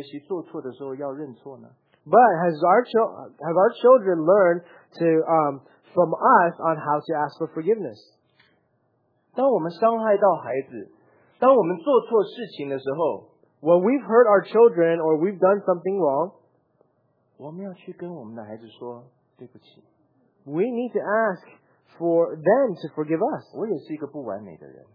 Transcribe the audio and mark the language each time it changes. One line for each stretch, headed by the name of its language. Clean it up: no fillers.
English: But have our children learned to from us on how to ask for forgiveness?
Chinese: 当我们伤害到孩子，当我们做错事情的时候,
English: when we've hurt our children or we've done something wrong,
Chinese: 我们要去跟我们的孩子说对不起。
English: We need to ask for them to forgive us.
Chinese: 我也是一个不完美的人。